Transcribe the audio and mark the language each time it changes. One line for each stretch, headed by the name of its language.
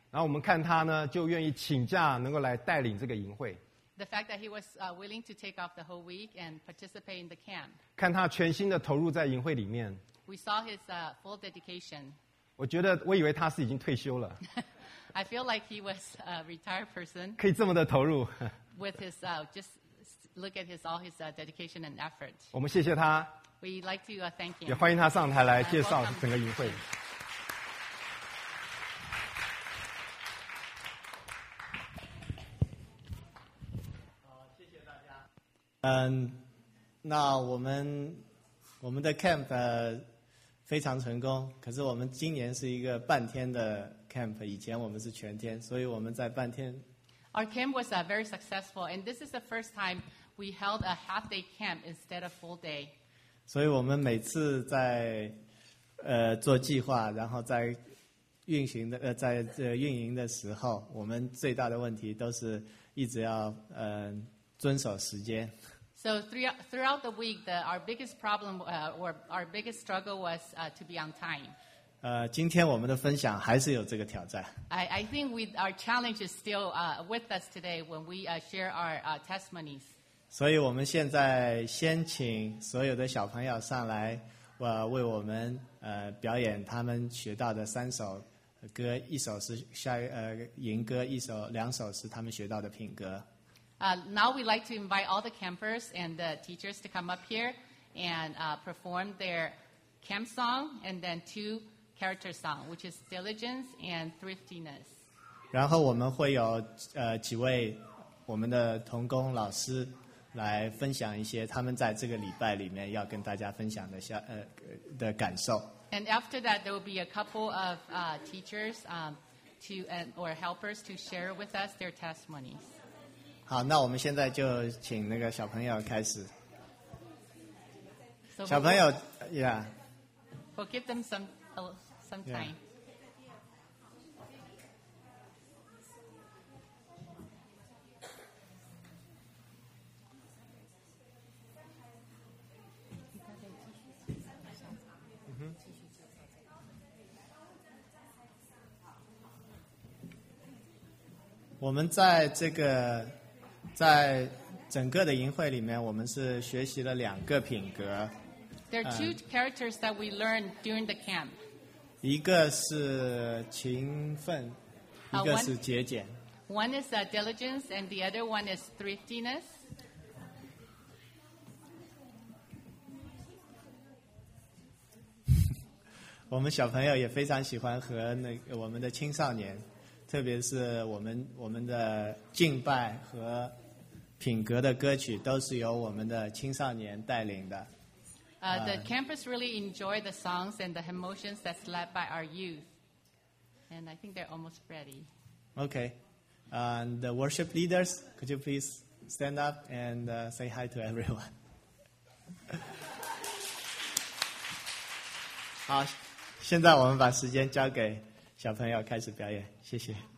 Chinese: 然后我们看他呢，就愿意请假能够来带领这个营会。
English: The fact that he was willing to take off the whole week and participate in the camp.
Chinese: 看他全心的投入在营会里面。
English: We saw his full dedication.
Chinese: 我觉得我以为他是已经退休了。
English: I feel like he was a retired person.
Chinese: 可以这么的投入。
English: With his, just look at his, all his dedication and effort.
Chinese: 我们谢谢他。
English: We'd like to thank him.
Chinese: 也欢迎他上台来介绍整个营会。谢谢大家。那我们的 camp 非常成功，可是我们今年是一个半天的camp， 以前我们是全天，所以我们在半天。
English: Our camp was very successful, and this is the first time we held a half-day camp instead of full day.
Chinese: 所以我们每次在做计划，然后在运行的在运营的时候，我们最大的问题都是一直要遵守时间。
English: So throughout the week, our biggest problem or our biggest struggle was to be on time.
Chinese: 今天我们的分享还是有这个挑战。
English: I think our challenge is still with us today when we share our testimonies.
Chinese: 所以我们现在先请所有的小朋友上来，为我们表演他们学到的三首歌，一首是营歌，两首是他们学到的品格。
English: Now we'd like to invite all the campers and the teachers to come up here and perform their camp song and then two. Character song, which is diligence and thriftiness.
Chinese: 然后我们会有几位我们的同工老师来分享一些他们在这个礼拜里面要跟大家分享的感受。
English: And after that, there will be a couple of teachers or helpers to share with us their testimonies.
Chinese: 好，那我们现在就请那个小朋友开始。小朋友 ，
English: Yeah. We'll give them some time. Yeah. Mm-hmm.
Chinese: 我们在这个在整个的营会里面，我们是学习了两个品格。
English: There are two characters that we learned during the camp.
Chinese: 一个是勤奋，一个是节俭。
English: One is diligence and the other one is thriftiness.
Chinese: 我们小朋友也非常喜欢和我们的青少年，特别是我们的敬拜和品格的歌曲都是由我们的青少年带领的。
English: The campers really enjoy the songs and the emotions that's led by our youth. And I think they're almost ready. Okay. And the worship leaders, could you please stand up and say hi to everyone?
Chinese: 好，现在我们把时间交给小朋友开始表演，谢谢。